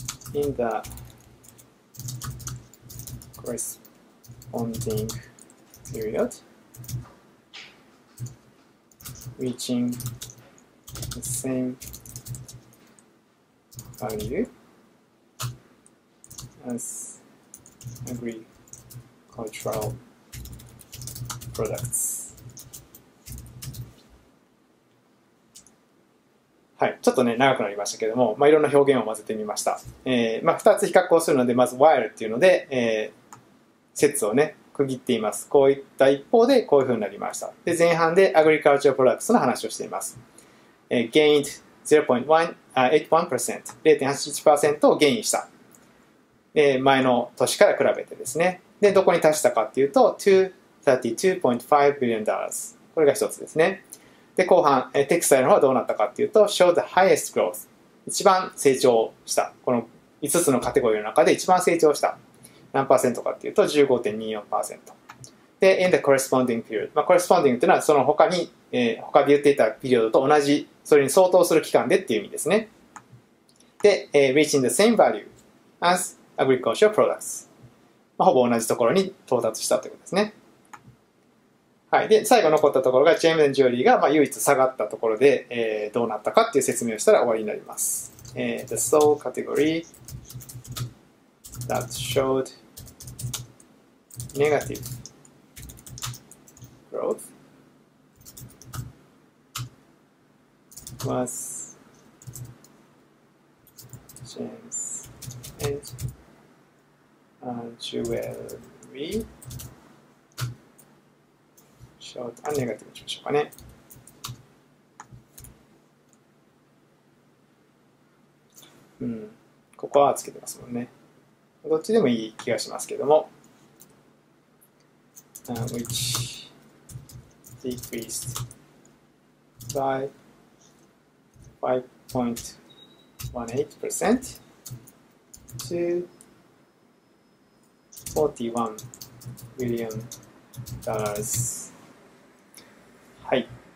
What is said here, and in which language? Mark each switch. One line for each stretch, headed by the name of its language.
English: in the corresponding period, reaching the same value as agricultural products.
Japanese: はい。ちょっとね、長くなりましたけども、まあ、いろんな表現を混ぜてみました。まあ、二つ比較をするので、まず while っていうので、節をね、区切っています。こういった一方で、こういう風になりました。で、前半で agricultural products の話をしています。
English: gained 0.81%、
Japanese: 0.81% をゲインした。前の年から比べてですね。で、どこに達したかっていうと、$232.5 billion。これが一つですね。で、後半、テキスタイルの方はどうなったかっていうと、
English: show the highest growth。
Japanese: 一番成長した。この5つのカテゴリーの中で一番成長した。何パーセントかっていうと、15.24%。で、
English: in the corresponding period。
Japanese: まあ、corresponding っていうのは、その他に、他で言っていたピリオドと同じ、それに相当する期間でっていう意味ですね。
English: で、reaching the same value as agricultural products。
Japanese: まあ、ほぼ同じところに到達したということですね。はい。で、最後残ったところが、ジェームズ・ジュリーが、まあ、唯一下がったところで、どうなったかっていう説明をしたら終わりになります。
English: The sole category that showed negative growth was James and Jewelry.
Japanese: ショート、ネガティブにしましょうかね。うん、ここはつけてますもんね。どっちでもいい気がしますけども。
English: Which decreased by 5.18% to 41 million dollars. はい。